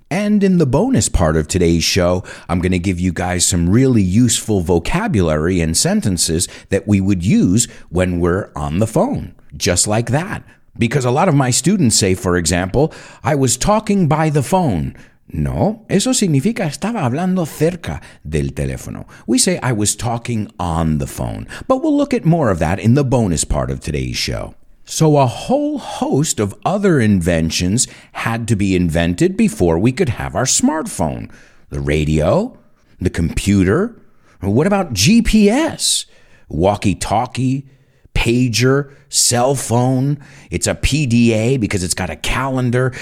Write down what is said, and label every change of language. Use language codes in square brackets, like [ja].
[en] And in the bonus part of today's show, I'm going to give you guys some really useful vocabulary and sentences that we would use when we're on the phone. Just like that. Because a lot of my students say, for example, I was talking by the phone. [es] No, eso significa estaba hablando cerca del teléfono. [en] We say I was talking on the phone. But we'll look at more of that in the bonus part of today's show. So a whole host of other inventions had to be invented before we could have our smartphone. The radio, the computer, what about GPS, walkie-talkie, pager, cell phone, it's a PDA because it's got a calendar.